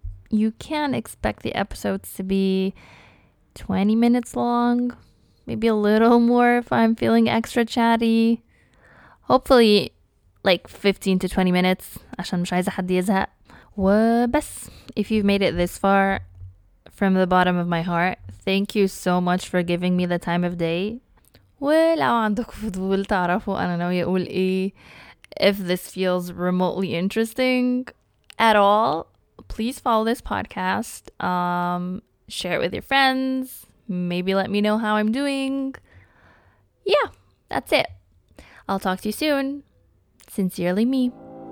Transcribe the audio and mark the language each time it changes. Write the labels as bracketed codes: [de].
[en] You can expect the episodes to be 20 minutes long, maybe a little more if I'm feeling extra chatty. Hopefully, like 15 to 20 minutes. [ar] عشان مش عايزة حد يزهق. وبس. [en] If you've made it this far, from the bottom of my heart, thank you so much for giving me the time of day. [ar] ولو عندك فضول تعرفوا أنا ناوية أقول إيه. [en] If this feels remotely interesting at all, please follow this podcast. Share it with your friends. Maybe let me know how I'm doing. Yeah, that's it. I'll talk to you soon. Sincerely, me.